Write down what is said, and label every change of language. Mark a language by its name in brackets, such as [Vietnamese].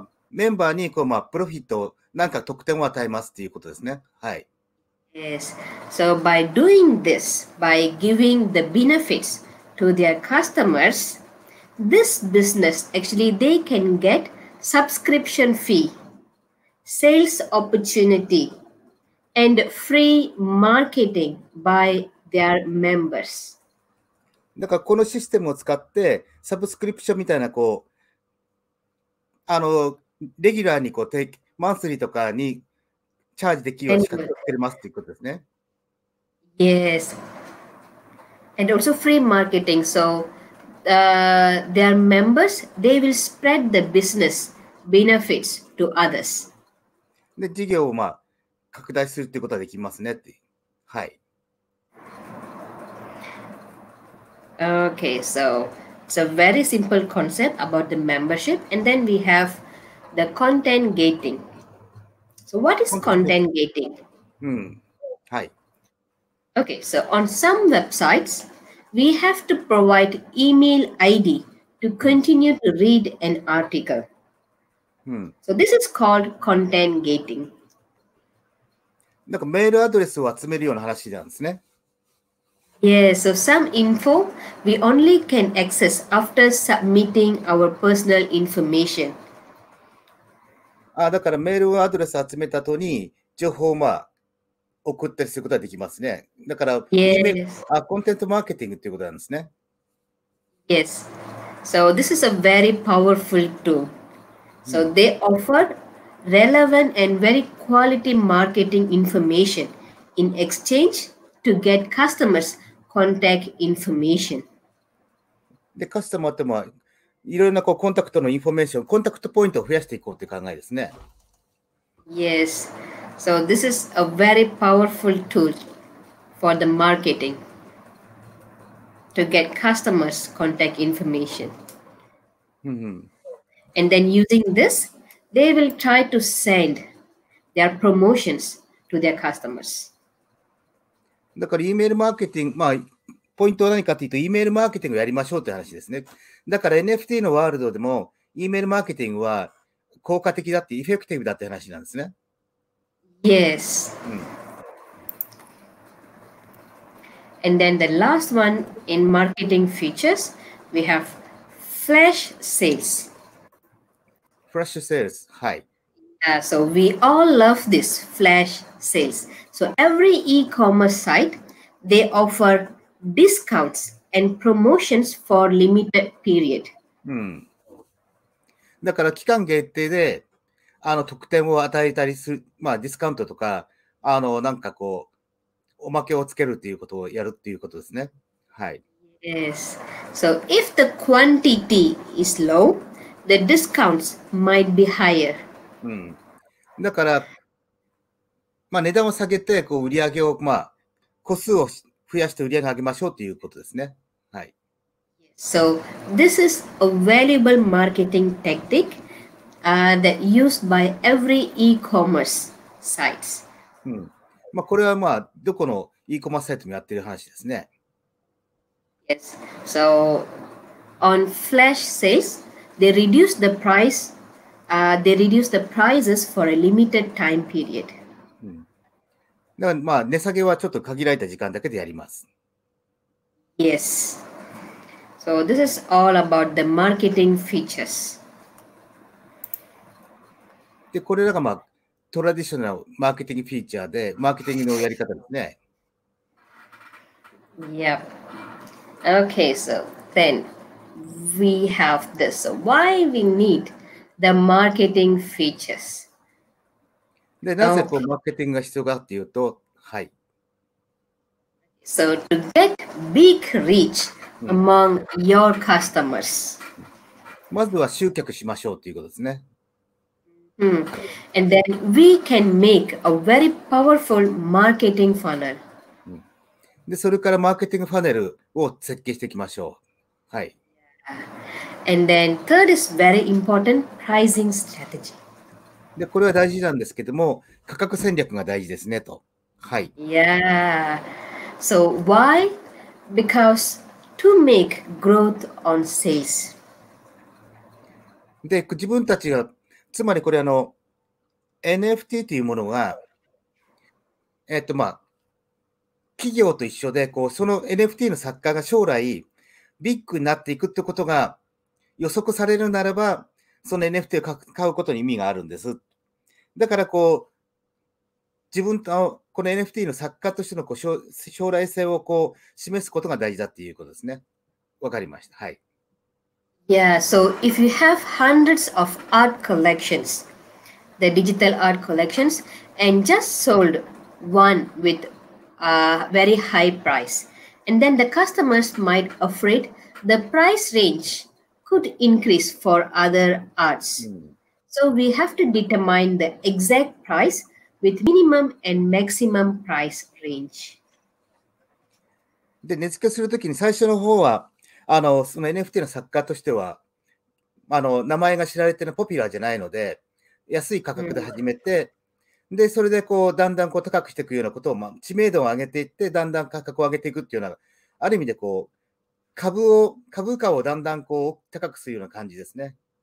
[Japanese] メンバーにこう、まあ、プロフィット、なんか特典を与えますということですね。はい。 [English] Yes. So by doing this, by giving the benefits to their customers, this business, actually, they can get subscription fee, sales opportunity, and free marketing by their members. [Japanese] なんかこのシステムを使ってサブスクリプションみたいなこうあのレギュラーにこうテイクマンスリーとかにチャージできるように仕掛けてくれますということですね。 [English] Yes. And also free marketing. So, their members, they will spread the business benefits to others. [Japanese] で、事業をまあ拡大するということはできますねって。はい。 [English] Okay, so it's a very simple concept about the membership. And then we have the content gating. So what is content gating? Hi. Okay, so on some websites, we have to provide email ID to continue to read an article. So this is called content gating. [Japanese] なんかメールアドレスを集めるような話なんですね。 [English] Yes, so some info we only can access after submitting our personal information. [Japanese] だからメールアドレス集めた後に情報をまあ送ったりすることができますね。だから、 [English] yes. [Japanese] コンテンツマーケティングということなんですね。 [English] Yes, so this is a very powerful tool. So they offer relevant and very quality marketing information in exchange to get customers. Contact information. The customer, [Japanese] いろいろなこうコンタクトのインフォメーション、コンタクトポイントを増やしていこうという考えですね。 [English] Yes. So this is a very powerful tool for the marketing to get customers contact information. And then using this, they will try to send their promotions to their customers. [Japanese] だから、イメールマーケティング、まあ、ポイントは何かというと、イメールマーケティングをやりましょうという話ですね。だから、NFT のワールドでも、イメールマーケティングは効果的だって、エフェクティブだって話なんですね。 [English] Yes.、 [Japanese] うん、 [English] And then the last one in marketing features, we have flash sales. Flash sales, [Japanese] はい。 [English] So we all love this flash sales. So every e-commerce site, they offer discounts and promotions for limited period. [Japanese] だから期間限定で、あの特典を与えたりする、まあディスカウントとか、あのなんかこうおまけをつけるということをやるということですね。はい。 [English] Yes. So if the quantity is low, the discounts might be higher. [Japanese] だから、まあ、値段を下げてこう売り上げを、まあ、個数を増やして売り上げ上げましょうということですね。はい。 [English] So, this is a valuable marketing tactic, that used by every e-commerce sites. [Japanese] まあ、これは、まあ、どこの e-commerce サイトもやってる話ですね。 [English] Yes. So, on flash sales, they reduce the price. They reduce the prices for a limited time period. [Japanese] だからまあ値下げはちょっと限られた時間だけでやります。 [English] Yes. So this is all about the marketing features. [Japanese] で、これらがまあトラディショナルマーケティングフィーチャーで、マーケティングのやり方ですね。 [English] Yep. Okay, so then we have this. So why we need the marketing features? [Japanese] で、なぜこうマーケティングが必要かっていうと、はい。 [English] So to get big reach among your customers. [Japanese] まずは集客しましょうということですね。うん。 [English] And then we can make a very powerful marketing funnel. [Japanese] で、それからマーケティングファネルを設計していきましょう。はい。 [English] And then third is very important pricing strategy. [Japanese] で、これは大事なんですけども、価格戦略が大事ですねと。はい。 [English] Yeah. So why? Because to make growth on sales. [Japanese] で、自分たちが、つまりこれあの NFT というものが、まあ企業と一緒で、こうその NFT の作家が将来ビッグになっていくってことが予測されるならば、その NFT を買うことに意味があるんです。だからこう自分とこの NFT の作家としてのこう将来性をこう示すことが大事だっていうことですね。わかりました。はい。 [English] Yeah, so if you have hundreds of art collections, the digital art collections, and just sold one with a very high price, and then the customers might afraid the price range could increase for other arts. So we have to determine the exact price. With minimum and maximum price range. [Japanese] で、値付けするときに最初の方は、その NFT の作家としては、名前が知られてるポピュラーじゃないので、安い価格で始めて、うん、で、それでこう、だんだんこう高くしていくようなことを、まあ、知名度を上げていって、だんだん価格を上げていくっていうような、ある意味でこう、株価をだんだんこう、高くするような感じですね。